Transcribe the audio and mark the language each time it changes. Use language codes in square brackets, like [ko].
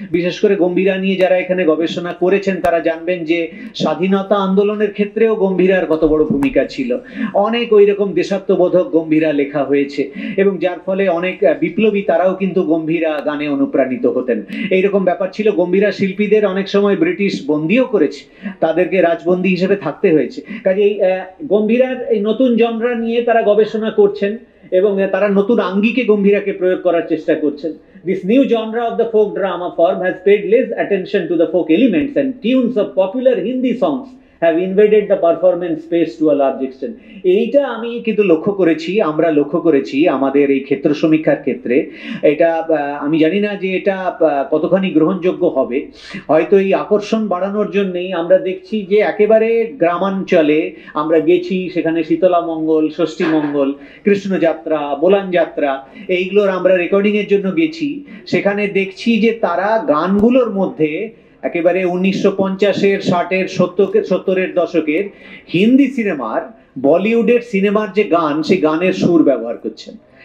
[bn] বিশেষ করে গম্ভীরা নিয়ে যারা এখানে গবেষণা করেছেন তারা জানবেন যে স্বাধীনতা আন্দোলনের ক্ষেত্রেও গম্ভীরার কত বড় ভূমিকা ছিল, অনেক ওই রকম দেশাত্মবোধক গম্ভীরা লেখা হয়েছে এবং যার ফলে অনেক বিপ্লবী তারাও কিন্তু গম্ভীরা গানে অনুপ্রাণিত হতেন, এইরকম ব্যাপার ছিল। গম্ভীরা শিল্পীদের অনেক সময় ব্রিটিশ বন্দিও করেছে, তাদেরকে রাজবন্দী হিসেবে থাকতে হয়েছে, কাজেই গম্ভীরার এই নতুন জনরা নিয়ে তারা গবেষণা করছেন এবং তারা নতুন আঙ্গিকে গম্ভীরাকে প্রয়োগ করার চেষ্টা করছেন। [en] This new genre of the folk drama form has paid less attention to the folk elements and tunes of popular Hindi songs have invaded the performance space to a large extent. [bn] এইটা আমি কিন্তু লক্ষ্য করেছি, আমরা লক্ষ্য করেছি আমাদের এই ক্ষেত্র সমীক্ষার ক্ষেত্রে, এটা আমি জানি না যে এটা কতখানি গ্রহণযোগ্য হবে, হয়তো এই আকর্ষণ বাড়ানোর জন্যেই আমরা দেখছি যে একেবারে গ্রামাঞ্চলে আমরা গেছি সেখানে শীতলামঙ্গল, ষষ্ঠীমঙ্গল, কৃষ্ণযাত্রা, বোলানযাত্রা এইগুলোর আমরা রেকর্ডিংয়ের জন্য গেছি, সেখানে দেখছি যে তারা গানগুলোর মধ্যে একেবারে 1950-এর, 60-এর, 70-এর দশকের হিন্দি সিনেমার, বলিউডের সিনেমার যে গান সেই গানের সুর ব্যবহার করছেন।